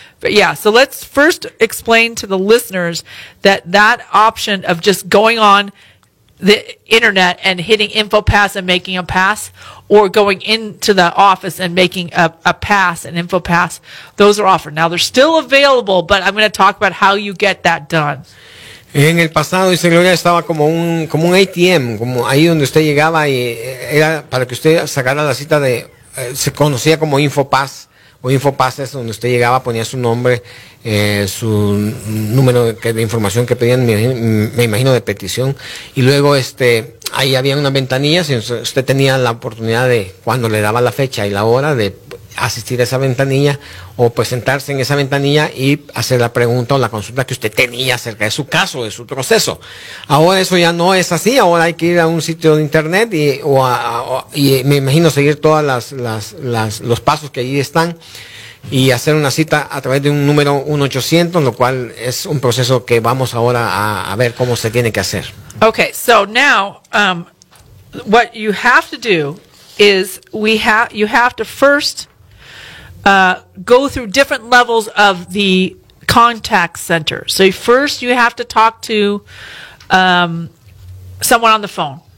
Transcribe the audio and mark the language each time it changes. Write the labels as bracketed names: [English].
[English] But yeah, so let's first explain to the listeners that option of just going on the internet and hitting InfoPass and making a pass, or going into the office and making a pass, an InfoPass, those are offered. Now, they're still available, but I'm going to talk about how you get that done. [Spanish] En el pasado, dice Gloria, estaba como un ATM, como ahí donde usted llegaba y era para que usted sacara la cita de, se conocía como Infopass. O Infopass es donde usted llegaba, ponía su nombre, su número de información que pedían, me imagino de petición. Y luego ahí había una ventanilla, si usted tenía la oportunidad de, cuando le daba la fecha y la hora, de asistir a esa ventanilla o presentarse en esa ventanilla y hacer la pregunta o la consulta que usted tenía acerca de su caso, de su proceso. Ahora eso ya no es así, ahora hay que ir a un sitio de internet y me imagino seguir todas los pasos que ahí están y hacer una cita a través de un número 1-800, lo cual es un proceso que vamos ahora a ver cómo se tiene que hacer. [English] Okay, so now what you have to do is you have to first go through different levels of the contact center. So first you have to talk to someone on the phone.